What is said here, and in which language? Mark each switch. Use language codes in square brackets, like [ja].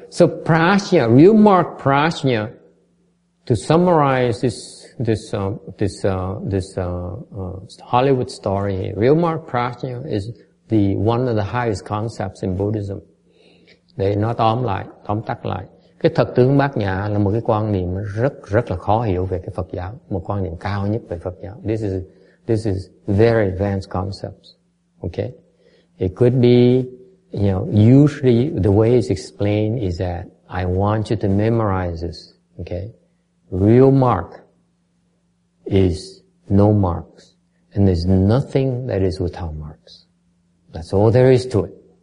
[en] So prajna, remark prajna, to summarize this Hollywood story, remark prajna is the one of the highest concepts in Buddhism. [vi] They nó tóm lại, tóm tắt lại. Cái thực tướng bát nhã là một cái quan niệm rất rất là khó hiểu về cái Phật giáo, một quan niệm cao nhất về Phật giáo. [en] This is very advanced concepts. Okay? It could be, you know, usually the way it's explained is that I want you to memorize this. Okay? Real mark is no marks. And there's nothing that is without marks. That's all there is to it.